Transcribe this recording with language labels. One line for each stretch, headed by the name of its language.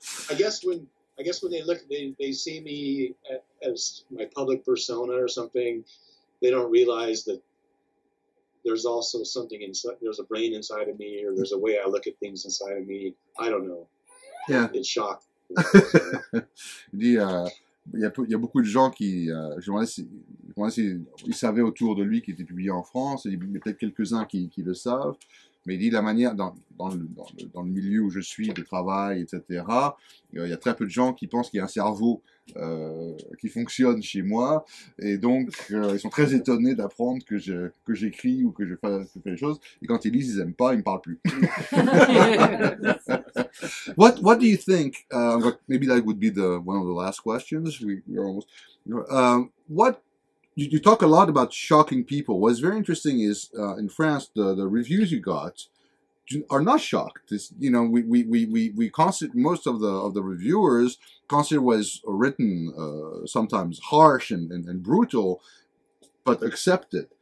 English: I guess when they look, they see me as my public persona or something, they don't realize that there's also something inside, there's a brain inside of me, or there's a way I look at things inside of me. I don't know. Yeah. It's shock.
French: Il y a beaucoup de gens qui, je me demandais s'ils savaient autour de lui qu'il était publié en France, il y a peut-être quelques-uns qui le savent. Mais il dit la manière dans le milieu où je suis de travail, etc. Il y a très peu de gens qui pensent qu'il y a un cerveau qui fonctionne chez moi, et donc ils sont très étonnés d'apprendre que j'écris ou que je fais des choses. Et quand ils lisent, ils aiment pas, ils me parlent plus.
English: what do you think? Maybe that would be one of the last questions. We're almost. You talk a lot about shocking people. What's very interesting is in France, the reviews you got are not shocked. This, you know, we consider most of the reviewers consider was written sometimes harsh and brutal, but accepted.